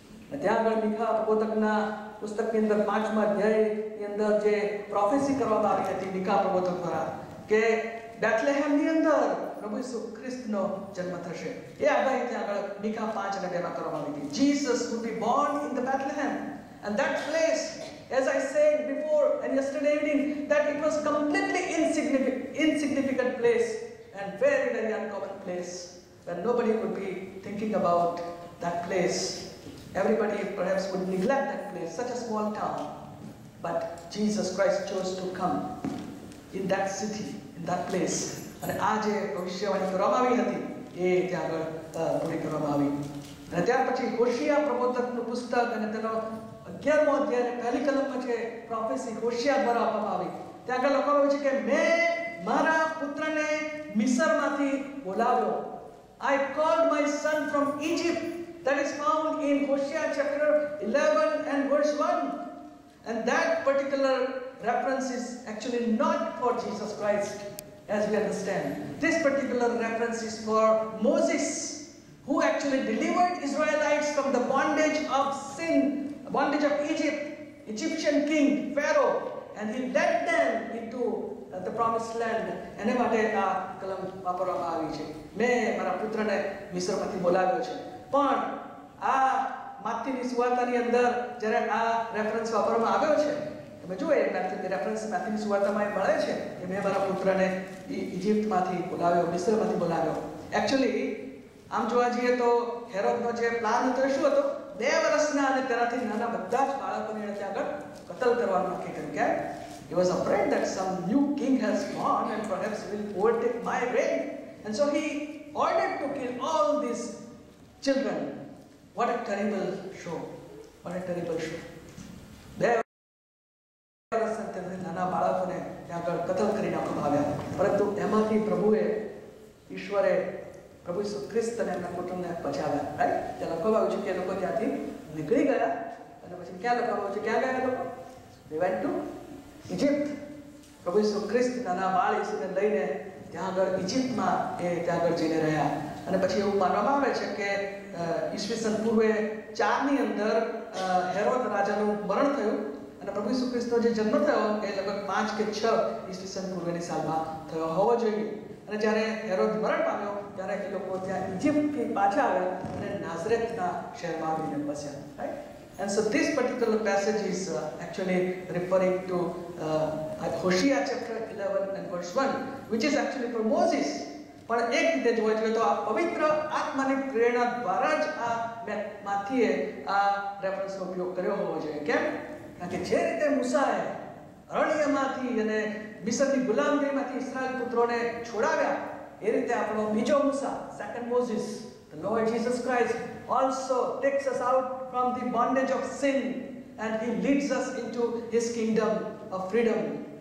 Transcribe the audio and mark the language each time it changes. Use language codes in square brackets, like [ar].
[gu] અને ત્યાં આગળ મીખા પ્રબોધકના પુસ્તકની અંદર 5મા અધ્યાયની અંદર જે પ્રોફેસી કરવામાં આવી હતી મીખા પ્રબોધક દ્વારા કે બેથલેહેમની અંદર પ્રભુ ઈસુ ખ્રિસ્તનો જન્મ થશે, એ આગાહી ત્યાં આગળ મીખા 5:2 કરવામાં આવી હતી. [en] Jesus would be born in the Bethlehem and that place, as I said before and yesterday evening, that it was completely insignificant place. And very, very uncommon place where nobody would be thinking about that place. Everybody perhaps would neglect that place, such a small town. But Jesus Christ chose to come in that city, in that place. [gu] અને આ જે ભવિષ્યવાણી કરવામાં આવી હતી એ ત્યાં આગળ પૂરી કરવામાં આવી. અને ત્યાર પછી હોશિયા પ્રબોધકનું પુસ્તક અને તેનો 11મો અધ્યાય પહેલી કલમમાં જે પ્રોફેસી હોશિયા દ્વારા આપવામાં આવી ત્યાં આગળ લખવામાં આવ્યું છે કે મેં મારા પુત્રને મિસરમાંથી બોલાવ્યો. [en] I called my son from Egypt. That is found in Hosea chapter 11 and verse 1. And that particular reference is actually not for Jesus Christ, as we understand. This particular reference is for Moses, who actually delivered Israelites from the bondage of sin, bondage of Egypt, Egyptian king Pharaoh, and he led them into the promised land. [gu] એને માટે આ કલમ વાપરવામાં આવી છે. મેં મારા પુત્રને મિસ્રમાંથી બોલાવ્યો છે. પણ આ માથીની સુવાર્તાની અંદર જ્યારે આ રેફરન્સ વાપરવામાં આવ્યો છે, તમે જુઓ એ માથી રેફરન્સ માથીની સુવાર્તામાં મળે છે કે મેં મારા પુત્રને ઇજિપ્તમાંથી બોલાવ્યો, મિસ્રમાંથી બોલાવ્યો. એકચ્યુઅલી આમ જોવા જઈએ તો હેરોદનો જે પ્લાન હતો એ શું હતો, 2 વર્ષના અને તેનાથી નાના બધા જ બાળકોને એને ત્યાં આગળ કતલ કરવાનું નક્કી કર્યું. કેમ? [en] He was afraid that some new king has gone and perhaps will overtake my reign. And so he ordered to kill all these children. What a terrible show. What a terrible show. [gu] નાના બાળકોને ત્યાં આગળ કતલ કરી નાખવામાં આવ્યા. પરંતુ એમાંથી પ્રભુએ, ઈશ્વરે પ્રભુ ઈસુ ખ્રિસ્તને એમના કુટુંબને બચાવ્યા. રાઈટ? ત્યાં લખવામાં આવ્યું છે કે એ લોકો ત્યાંથી નીકળી ગયા. અને પછી ક્યાં લખવામાં આવ્યું છે, ક્યાં ગયા લોકો? [en] They went to [gu] Egypt. પ્રભુ ઈસુ ખ્રિસ્ત નાના બાળ ઈસુને લઈને ત્યાં આગળ ઇજિપ્તમાં એ ત્યાં આગળ જઈને રહ્યા. અને પછી એવું માનવામાં આવે છે કે ઈસવીસન પૂર્વે 4ની અંદર હેરોદ રાજાનું મરણ થયું અને પ્રભુ ઈસુ ખ્રિસ્તનો જે જન્મ થયો એ લગભગ 5 કે 6 ઈસવીસન પૂર્વેની સાલમાં થયો હોવો જોઈએ. અને જ્યારે હેરોદ મરણ પામ્યો ત્યારે એ લોકો ત્યાં ઇજિપ્તથી પાછા આવ્યા અને નાઝરેથના શહેરમાં આવીને બસ્યા. [en] Right? And so this particular passage is actually referring to Hosea chapter 11 and verse 1, which is actually for Moses. [gu] પણ એક રીતે જોવા જઈએ તો આ પવિત્ર આત્માની પ્રેરણા દ્વારા જ આ માથીએ આ રેફરન્સનો ઉપયોગ કર્યો હોવો જોઈએ. કેમ? કારણ કે જે રીતે મૂસાએ અરણ્યમાંથી અને મિસરની ગુલામગીમાંથી ઇસ્રાયલ પુત્રોને છોડાવ્યા એ રીતે આપણો બીજો મૂસા, [en] Second Moses, The Lord Jesus Christ also takes us out from the bondage of sin and he leads us into his kingdom of freedom.